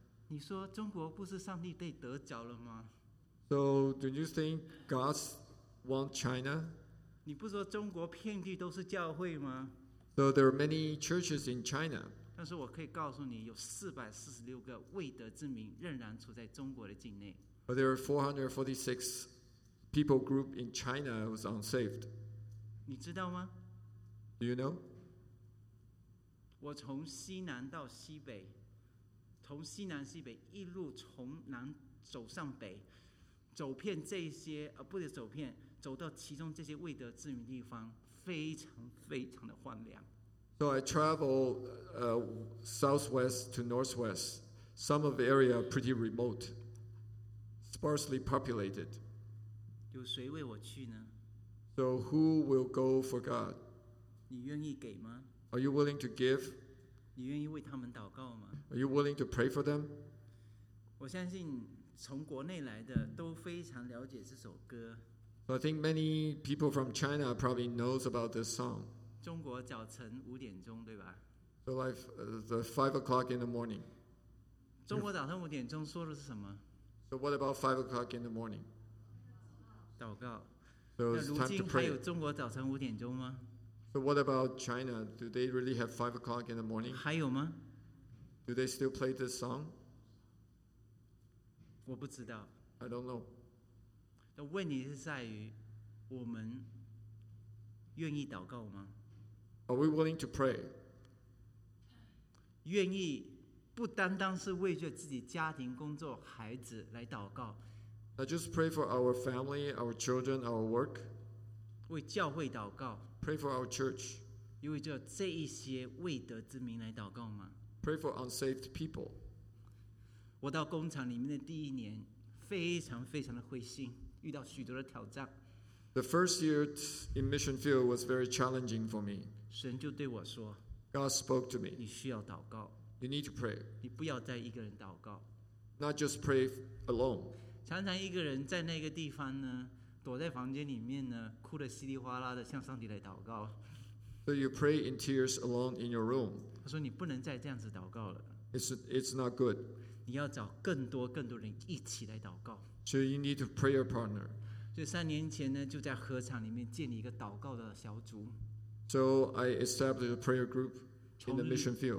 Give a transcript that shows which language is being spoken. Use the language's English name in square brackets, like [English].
[Chinese] 你说中国不是上帝被得着了吗 [English] ？So do you think God wants China? [Chinese] 你不说中国遍地都是教会吗 [English] ？So there are many churches in China. [Chinese] 但是我可以告诉你，有446个未得之名仍然处在中国的境内。 [English] But there are 446 people group in China who is unsaved. [Chinese] 你知道吗 [English] ？Do you know？ [Chinese] 我从西南到西北，从西南西北一路从南走上北，走遍这些不是走遍，走到其中这些未得之名地方，非常非常的荒凉。 [English] So I travel southwest to northwest, some of the area pretty remote, sparsely populated. [Chinese] 有谁为我去呢？ [English] So who will go for God? [Chinese] 你愿意给吗？ [English] Are you willing to give? [Chinese] 你愿意为他们祷告吗？ [English] Are you willing to pray for them? [Chinese] 我相信从国内来的都非常了解这首歌。 [English] I think many people from China probably knows about this song. [Chinese] 中国早晨五点钟，对吧？ [English] So like the 5 o'clock in the morning. [Chinese] 中国早晨五点钟说的是什么？ [English] So what about 5 o'clock in the morning? [Chinese] 祷告。 [English] So、 [Chinese] 那如今还有中国早晨五点钟吗 [English] ？So what about China? Do they really have 5 o'clock in the morning? [Chinese] 还有吗 [English] ？Do they still play this song? [Chinese] 我不知道。 [English] I don't know. [Chinese] 那问题是在于，我们愿意祷告吗 [English] ？Are we willing to pray? [Chinese] 愿意不单单是为着自己家庭、工作、孩子来祷告。 [English] I just pray for our family, our children, our work. [Chinese] 为教会祷告。 [English] Pray for our church. [Chinese] 因为这一些未得之民来祷告吗 [English] ？Pray for unsaved people. [Chinese] 我到工厂里面的第一年，非常非常的灰心，遇到许多的挑战。 [English] The first year in mission field was very challenging for me. [Chinese] 神就对我说 [English] ，God spoke to me. [Chinese] 你需要祷告。 [English] You need to pray. [Chinese] 你不要再一个人祷告。 [English] Not just pray alone. [Chinese] 常常一个人在那个地方呢，躲在房间里面呢，哭得稀里哗啦的向上帝来祷告。 [English] So you pray in tears alone in your room. [Chinese] 他说你不能再这样子祷告了。 [English] It's not good. [Chinese] 你要找更多更多人一起来祷告。 [English] So you need to pray your partner. [Chinese] 所以三年前呢，就在合场里面建立一个祷告的小组。 [English] So I established a prayer group. In the mission field.